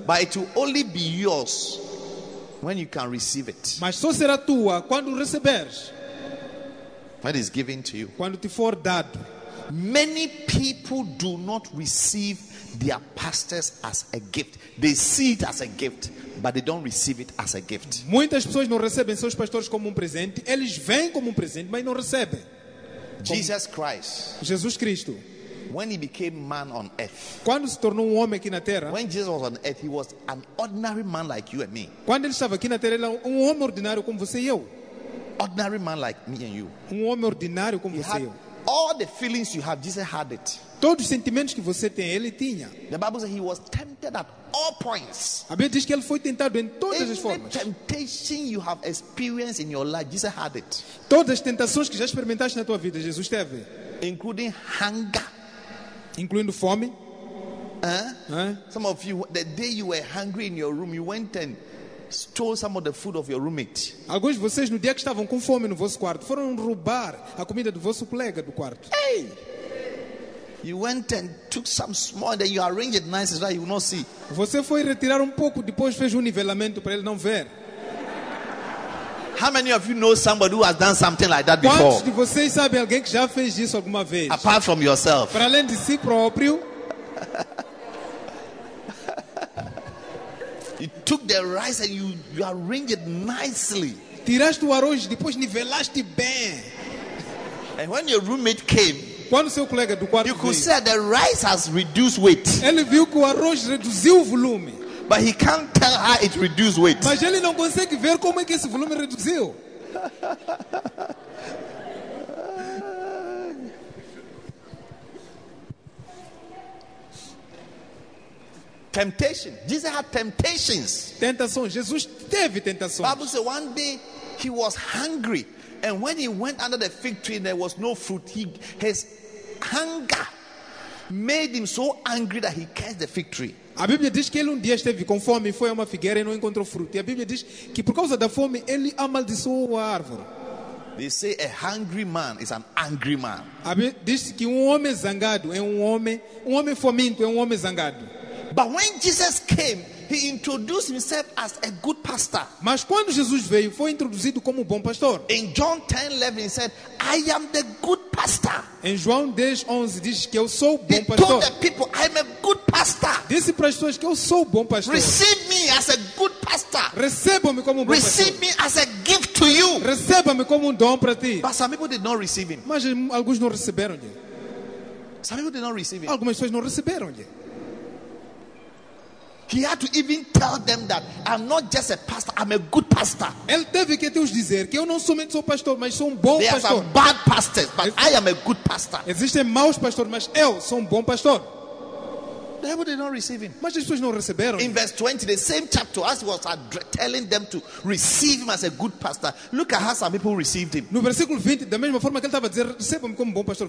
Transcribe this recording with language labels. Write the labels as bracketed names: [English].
[English] But it will only be yours when you can receive it. [Portuguese] Mas só será tua quando receberes. [English] What is given to you? [Portuguese] Quando te for dado. [English] Many people do not receive their pastors as a gift. They see it as a gift, but they don't receive it as a gift. [Portuguese] Muitas pessoas não recebem seus pastores como presente. Eles vêm como presente, mas não recebem. [English] Jesus Christ. [Portuguese] Jesus Cristo. [English] When he became man on earth. [Portuguese] Quando se tornou homem aqui na terra. [English] When Jesus was on earth, he was an ordinary man like you and me. [Portuguese] Quando ele estava aqui na terra, ele era homem ordinário como você e eu. [English] Ordinary man like me and you. [Portuguese] Homem ordinário como você e eu. [English] All the feelings you have, Jesus had it. [Portuguese] Todos os sentimentos que você tem, ele tinha. [English] The Bible says he was tempted at all points. [Portuguese] A Bíblia diz que ele foi tentado em todas as formas. [English] Every temptation you have experienced in your life, Jesus had it. [Portuguese] Todas as tentações que já experimentaste na tua vida, Jesus teve. [English] Including hunger. [Portuguese] Incluindo fome. [English] Some of you, the day you were hungry in your room, you went and stole some of the food of your roommate. [Portuguese] Alguns de vocês no dia que estavam com fome no vosso quarto foram roubar a comida do vosso colega do quarto. Hey! [English] You went and took some small, then you arranged it nice so that you will not see. [Portuguese] Você foi retirar pouco, depois fez nivelamento para ele não ver. [English] How many of you know somebody who has done something like that before? [Portuguese] Quantos de vocês sabem alguém que já fez isso alguma vez? [English] Apart from yourself. [Portuguese] Para além de si próprio. [English] You took the rice and you arranged it nicely. [Portuguese] Tiraste o arroz e depois nivelaste bem. [English] And when your roommate came, [Portuguese] quando seu colega do quarto [English] you could see the rice has reduced weight. [Portuguese] Ele viu que o arroz reduziu o volume. [English] But he can't tell how it reduced weight. [Portuguese] Mas ele não consegue ver como é que esse volume reduziu. [English] Temptation. Jesus had temptations. [Portuguese] Tentações. Jesus teve tentações. [English] Bible says one day he was hungry, and when he went under the fig tree and there was no fruit, his hunger made him so angry that he cursed the fig tree. [Portuguese] A Bíblia diz que ele dia esteve com fome, foi a uma figueira e não encontrou fruto. E a Bíblia diz que por causa da fome ele amaldiçoou a árvore. [English] They say a hungry man is an angry man. [Portuguese] A Bíblia diz que homem zangado é homem faminto é homem zangado. [English] But when Jesus came, he introduced himself as a good pastor. [Portuguese] Mas quando Jesus veio, foi introduzido como bom pastor. [English] In John 10:11, he said, "I am the good pastor." [Portuguese] Em João 10:11, diz que eu sou [English] he [Portuguese] bom pastor. [English] He told the people, "I am a good pastor." [Portuguese] Disse para as pessoas que eu sou bom pastor. [English] Receive me as a good pastor. [Portuguese] Receba-me como bom [English] receive [Portuguese] pastor. [English] Receive me as a gift to you. [Portuguese] Receba-me como dom para ti. [English] But some people did not receive him. [Portuguese] Mas alguns não receberam ele. [English] Some people did not receive him. [Portuguese] Algumas pessoas não receberam ele. [English] He had to even tell them that I'm not just a pastor, I'm a good pastor. [Portuguese] Ele teve que dizer que eu não somente sou pastor, mas sou bom [English] there [Portuguese] pastor. [English] There are bad pastors, but I am a good pastor. [Portuguese] Existem maus pastores, mas eu sou bom pastor. [English] They would not receive him. [Portuguese] Mas as pessoas não receberam. [English] In verse 20, the same chapter, as he was telling them to receive him as a good pastor, look at how some people received him. [Portuguese] No versículo 20, da mesma forma que ele estava dizendo, receba-me como bom pastor.